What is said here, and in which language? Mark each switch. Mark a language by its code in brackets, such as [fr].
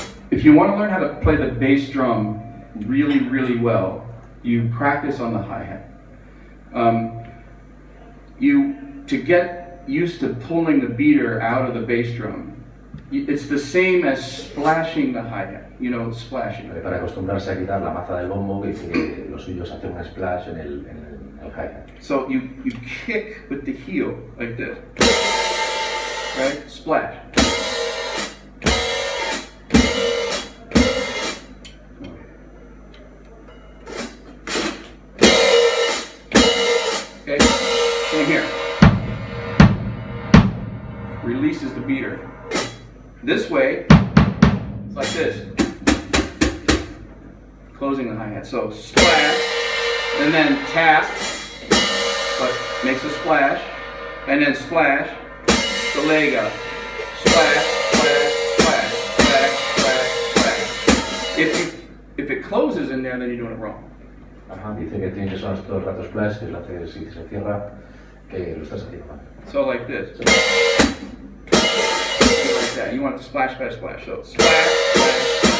[en] If you want to learn how to play the bass drum really, really well, you practice on the hi-hat. To get used to pulling the beater out of the bass drum, it's the same as splashing the hi-hat. You know, splashing. [es] Para acostumbrarse a quitar la maza del bombo, que dice que los suyos hacen un splash en el hi-hat. [en] So you kick with the heel like this, right? Splash. Okay. Same here. Releases the beater. This way, it's like this. Closing the hi-hat, so splash, and then tap, but makes a splash, and then splash, the leg up, splash, splash, splash, splash, splash, splash. If it closes in there, then you're doing it wrong. [es] Ajá, dice que tienes que todo el rato splash, que es lo que si se cierra, que lo estás haciendo mal. [en] So like this. So, like that, you want it to splash, splash, splash, so splash, splash.